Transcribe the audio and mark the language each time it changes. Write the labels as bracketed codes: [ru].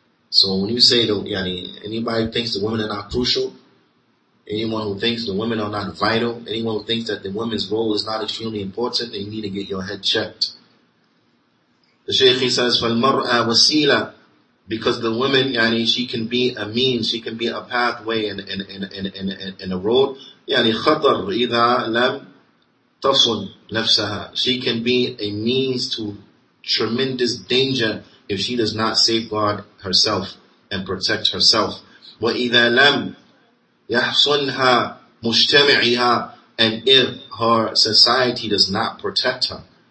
[en] So when you say, anybody thinks the women are not crucial, anyone who thinks the women are not vital, anyone who thinks that the women's role is not extremely important, they need to get your head checked. The Shaykh, he says, [ar] فَالْمَرْأَى وَسِيلًا. [en] Because the woman, she can be a means, she can be a pathway and a road. [ar] يعني خطر إذا لم تصل نفسها. [en] She can be a means to tremendous danger if she does not safeguard herself and protect herself. [ar] وإذا لم يحصنها مجتمعها. [en] And if her society does not protect her.